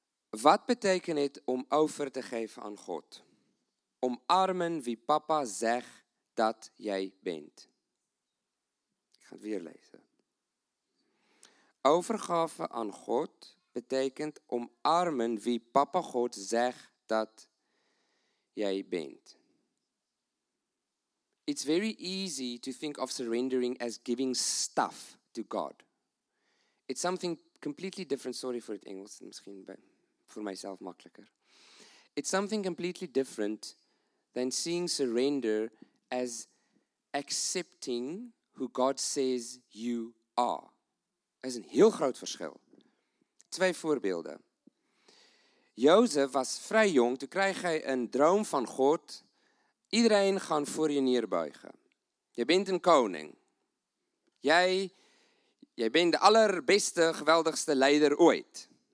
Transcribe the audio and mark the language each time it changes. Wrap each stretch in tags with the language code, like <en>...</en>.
<nl>Wat betekent het om over te geven aan God? Omarmen wie papa zegt dat jij bent. Ik ga het weer lezen. Overgave aan God betekent omarmen wie papa God zegt dat jij bent.</nl> <en>It's very easy to think of surrendering as giving stuff to God. It's something completely different.</en> <nl>Sorry for het Engels, misschien voor mijzelf makkelijker.</nl> <en>It's something completely different than seeing surrender as accepting who God says you are.</en> <nl>Dat is een heel groot verschil. Twee voorbeelden. Jozef was vrij jong, toen kreeg hij een droom van God. Iedereen gaat voor je neerbuigen. Je bent een koning. Jij bent de allerbeste, geweldigste leider ooit.</nl>